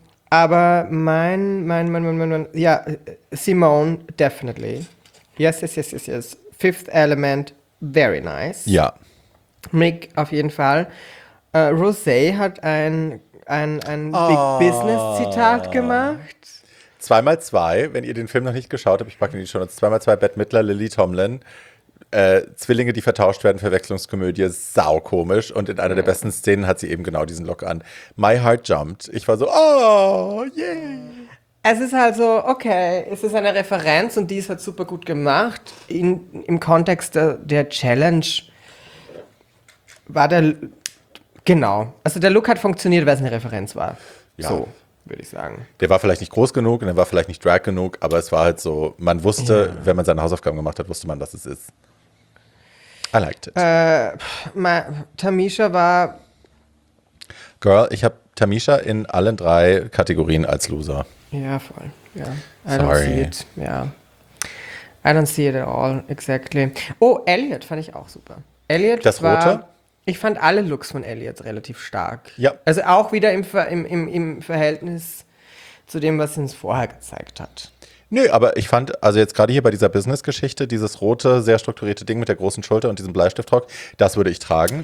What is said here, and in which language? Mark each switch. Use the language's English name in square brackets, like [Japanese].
[German] Aber mein, ja, Simone, [English] definitely. Yes. Fifth Element, very nice. [German] Ja. Mick, auf jeden Fall. Rosé hat ein Big Business Zitat gemacht. 2x2, wenn ihr den Film noch nicht geschaut habt, ich packe ihn schon, 2x2, Bette Midler, Lily Tomlin. Zwillinge, die vertauscht werden, Verwechslungskomödie, saukomisch. Und in einer der besten Szenen hat sie eben genau diesen Look an. [English] My heart jumped. [German] Ich war so, oh, yay. Es ist halt so, okay, es ist eine Referenz und die ist halt super gut gemacht. Im Kontext der Challenge war der, genau. Also der Look hat funktioniert, weil es eine Referenz war. Ja. So, würde ich sagen. Der war vielleicht nicht groß genug und der war vielleicht nicht drag genug, aber es war halt so, man wusste, wenn man seine Hausaufgaben gemacht hat, wusste man, dass es ist. [English] I liked it. [German] Tamisha war... Girl, ich habe Tamisha in allen drei Kategorien als Loser. Ja, voll. [English] Ja. Sorry. I don't see it. Ja. I don't see it at all, exactly. [German] Oh, Elliot fand ich auch super. Elliot das war, Rote? Ich fand alle Looks von Elliot relativ stark. Ja. Also auch wieder im Verhältnis zu dem, was sie uns vorher gezeigt hat. Nö, aber ich fand, also jetzt gerade hier bei dieser Business-Geschichte, dieses rote, sehr strukturierte Ding mit der großen Schulter und diesem Bleistiftrock, das würde ich tragen.